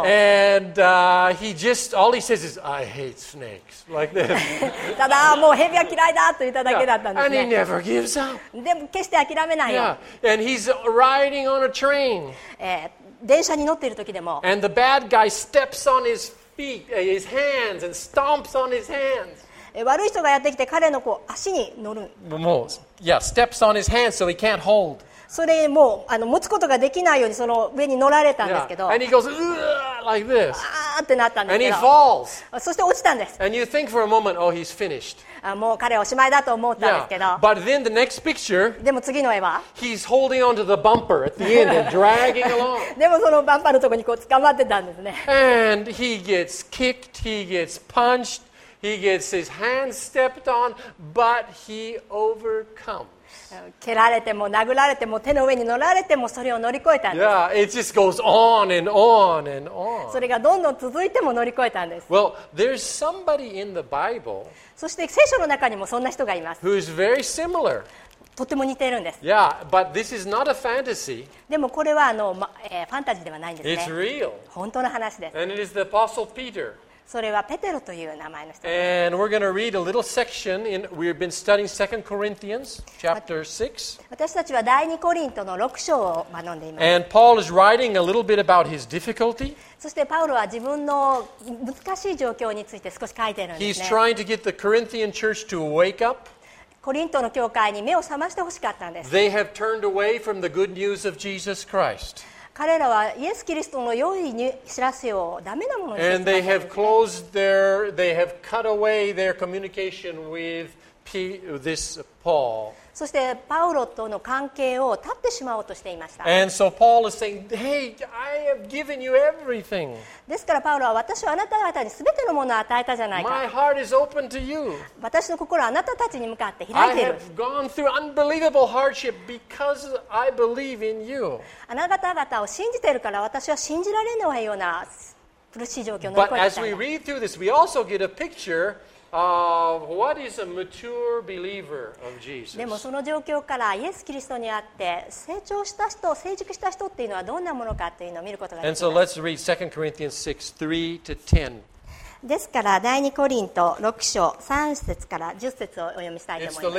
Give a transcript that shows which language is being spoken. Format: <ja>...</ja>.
<en>and he just all he says is I hate snakes like this.</en> <ja>ただもう蛇は嫌いだと言っただけだったんですね。</ja> <en>And he never gives up.</en> <ja>でも決して諦めないよ。</ja> <en>Yeah. And he's riding on a train.</en> <ja>電車に乗っている時でも、</ja> <en>and the bad guy steps on his feet, his hands, and stomps on his hands.</en> <ja>悪い人がやってきて彼のこう足に乗る。</ja> <en>もう、yeah, steps on his hands so he can't hold.</en> <ja>それもう持つことができないようにその上に乗られたんですけど。</ja> <en>Yeah. And he goes, like this.</en> <ja>あーってなったんですけど。</ja> <en>And he falls.</en> <ja>そして落ちたんです。</ja> <en>And you think for a moment, oh, he's finished.</en> <ja>もう彼はおしまいだと思ったんですけど。</ja> <en>Yeah. But then the next picture.</en> <ja>でも次の絵は。</ja> <en>He's holding onto the bumper at the end and dragging along.</en> <ja>でもそのバンパーのところにこう捕まってたんですね。</ja> <en>And he gets kicked, he gets punched. He gets his hands stepped on, but he overcomes.</en> <ja>蹴られても殴られても手の上に乗られてもそれを乗り越えたんです。</ja> <en>Yeah, it just goes on and on and on.</en> <ja>それがどんどん続いても乗り越えたんです。</ja> <en>Well, there's somebody in the Bible.</en> <ja>そして聖書の中にもそんな人がいます。</ja> <en>Who is very similar.</en> <ja>とても似ているんです。</ja> <en>Yeah, but this is not a fantasy.</en> <ja>でもこれはファンタジーではないんですね。</ja> <en>It's real.</en> <ja>本当の話です。</ja> <en>And it is the Apostle Peter.</en> <ja>それはペテロという名前の人です。</ja> <en>And we're going to read a little section in, we've been studying 2 Corinthians chapter</en> <ja>6. 私たちは第2コリントの6章を学んでいます。</ja> <en>And Paul is writing a little bit about his difficulty.</en> <ja>そしてパウロは自分の難しい状況について少し書いているんですね。</ja> <en>He's trying to get the Corinthian church to wake up.</en> <ja>コリントの教会に目を覚ましてほしかったんです。</ja> <en>They have turned away from the good news of Jesus Christ.</en> <ja>彼らはイエス・キリストの良い知らせをダメなものにして使ってるんですね。</ja> <en>And they have closed their, they have cut away their communication with this Paul.</en> <ja>そしてパウロとの関係を断ってしまおうとしていました。</ja> <en>And so Paul is saying, hey, I have given you everything.</en> <ja>ですからパウロは私はあなた方に全てのものを与えたじゃないか。</ja> <en>My heart is open to you.</en> <ja>私の心はあなたたちに向かって開いている。</ja> <en>I have gone through unbelievable hardship because I believe in you.</en> <ja>あなた方を信じているから私は信じられないような苦しい状況を乗り越えたんだ。</ja> <en>But as we read through this, we also get a picture What is a mature believer of Jesus?</en> <ja>でもその状況からイエス・キリストにあって成長した人、成熟した人っていうのはどんなものかというのを見ることができます。</ja> <en>And so let's read 2 Corinthians 6, 3 to 10.</en> <ja>ですから第2コリント6章3節から10節をお読みしたいと思います。</ja>